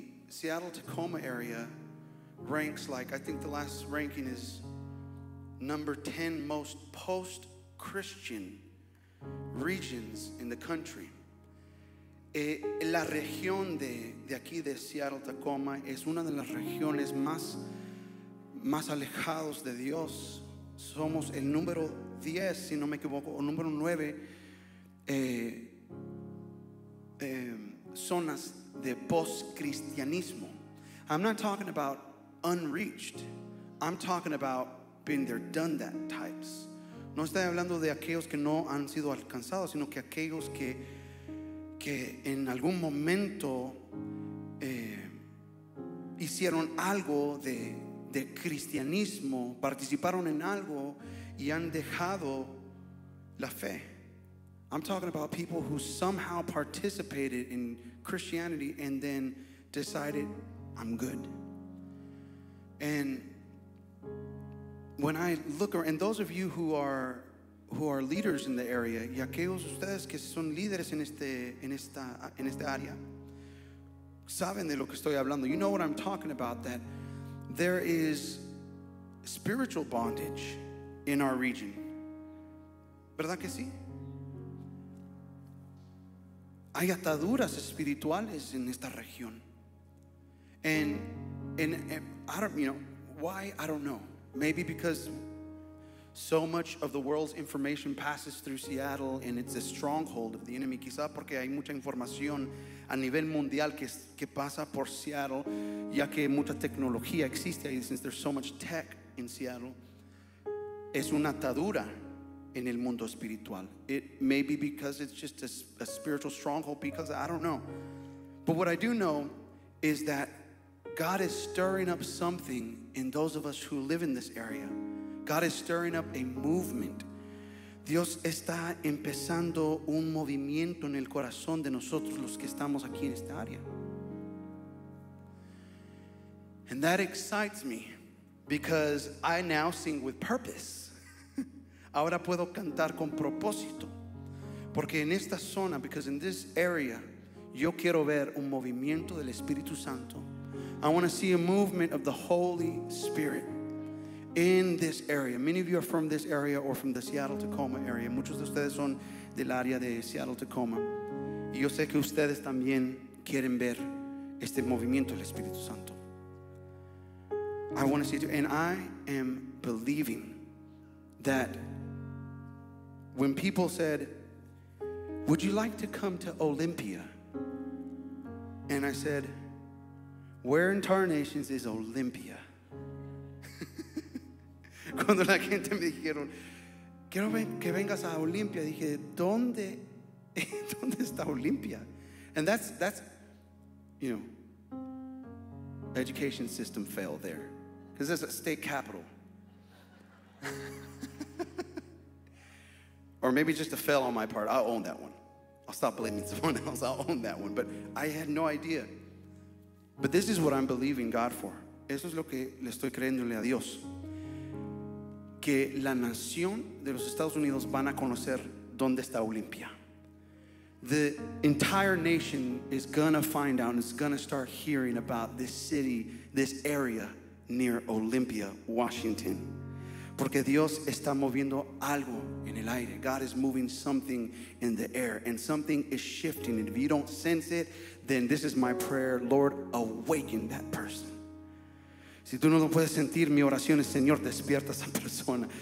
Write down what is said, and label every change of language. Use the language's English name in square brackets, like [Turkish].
[English] Seattle, Tacoma area ranks like, I think the last ranking is number 10 most post-Christian regions in the country. [Spanish] La región de aquí de Seattle, Tacoma es una de las regiones más alejados de Dios. Somos el número 10, si no me equivoco, o número 9 zonas de post-cristianismo. [English] I'm not talking about unreached. I'm talking about been there, done that types. [Spanish] No estoy hablando de aquellos que no han sido alcanzados, sino que aquellos que en algún momento hicieron algo de cristianismo, participaron en algo y han dejado la fe. [English] I'm talking about people who somehow participated in Christianity and then decided, I'm good. And when I look around, and those of you who are leaders in the area, [Spanish] y aquellos ustedes que son líderes en esta área, saben de lo que estoy hablando. [English] You know what I'm talking about, that there is spiritual bondage in our region. [Spanish] ¿Verdad que sí? Hay ataduras espirituales en esta región. [English] And I don't, you know, why? I don't know. Maybe because so much of the world's information passes through Seattle and it's a stronghold of the enemy. [Spanish] Quizá porque hay mucha información a nivel mundial que pasa por Seattle, ya que mucha tecnología existe ahí. [English] Since there's so much tech in Seattle, [Spanish] es una atadura en el mundo espiritual. [English] It may be because it's just a spiritual stronghold, because I don't know. But what I do know is that God is stirring up something in those of us who live in this area. God is stirring up a movement. [Spanish] Dios está empezando un movimiento en el corazón de nosotros los que estamos aquí en esta área. [English] And that excites me because I now sing with purpose. [Spanish] Ahora puedo cantar con propósito. Porque en esta zona, [English] because in this area, [Spanish] yo quiero ver un movimiento del Espíritu Santo. [English] I want to see a movement of the Holy Spirit in this area. Many of you are from this area or from the Seattle, Tacoma area. [Spanish] Muchos de ustedes son del área de Seattle, Tacoma. Y yo sé que ustedes también quieren ver este movimiento del Espíritu Santo. [English] I want to see it. And I am believing that when people said, would you like to come to Olympia? And I said, where in tarnations is Olympia? [Spanish] Cuando la gente me dijeron, quiero que vengas a Olympia, dije, ¿dónde está Olympia? [English] And that's, you know, education system fail there. Because it's a state capital. Or maybe just a fail on my part. I'll own that one. I'll stop blaming someone else. I'll own that one. But I had no idea. But this is what I'm believing God for. [Spanish] Eso es lo que le estoy creyéndole a Dios. Que la nación de los Estados Unidos van a conocer dónde está Olympia. [English] The entire nation is going to find out and it's going to start hearing about this city, this area near Olympia, Washington. [Spanish] Porque Dios está moviendo algo en el aire. [English] God is moving something in the air. And something is shifting. And if you don't sense it, then this is my prayer. Lord, awaken that person. [Spanish] Si tú no lo puedes sentir, mi oración es, Señor, despierta a esa persona.